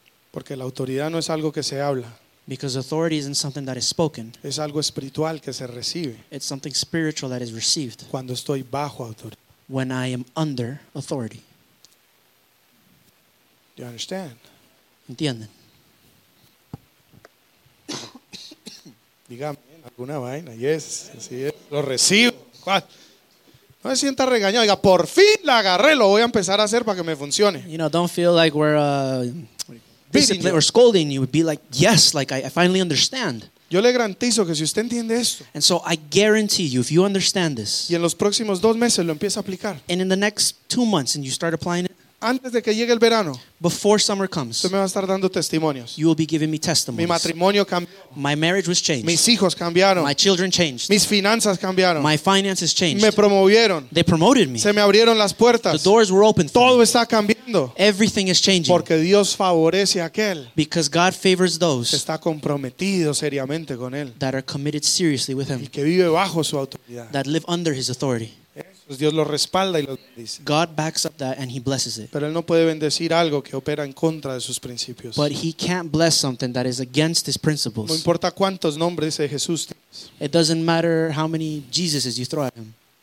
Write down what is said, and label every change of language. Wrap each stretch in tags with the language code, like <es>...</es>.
<es>Porque la autoridad no es algo que se habla.</es> <en>Because authority isn't something that is spoken.</en> <es>Es algo espiritual que se recibe.</es> <en>It's something spiritual that is received.</en> <es>Cuando estoy bajo autoridad.</es> <en>When I am under authority. Do you understand?</en> <es>¿Entienden? Dígame, alguna vaina.</es> <en>Yes,</en> <es>así es. Lo recibo. ¿Cuál? No se sienta regañado. Diga, por fin la agarré. Lo voy a empezar a hacer para que me funcione.</es> <en>You know, don't feel like we're discipline or scolding you. Be like, yes, like I finally understand.</en> <es>Yo le garantizo que si usted entiende esto.</es> <en>And so I guarantee you, if you understand this.</en> <es>Y en los próximos dos meses lo empieza a aplicar.</es> <en>And in the next 2 months and you start applying it.</en> <es>Antes de que llegue el verano.</es> <en>Before summer comes.</en> <es>Usted me va a estar dando testimonios.</es> <en>You will be giving me testimonies.</en> <es>Mi matrimonio cambió.</es> <en>My marriage was changed.</en> <es>Mis hijos cambiaron.</es> <en>My children changed.</en> <es>Mis finanzas cambiaron.</es> <en>My finances changed.</en> <es>Me promovieron.</es> <en>They promoted me.</en> <es>Se me abrieron las puertas.</es> <en>The doors were opened.</en> <es>Todo está cambiando.</es> <en>Everything is changing.</en> <es>Porque Dios favorece a aquel.</es> <en>Because God favors those.</en> <es>Que está comprometido seriamente con él.</es> <en>That are committed seriously with him.</en> <es>Y que vive bajo su autoridad.</es> <en>That live under his authority.</en> <es>Dios lo respalda y lo bendice.</es> <en>God backs up that and he blesses it.</en> <es>Pero él no puede bendecir algo que opera en contra de sus principios.</es> <en>But he can't bless something that is against his principles.</en> <es>No importa cuántos nombres de Jesús tienes.</es> <en>It doesn't matter how many Jesuses you throw at him.</en>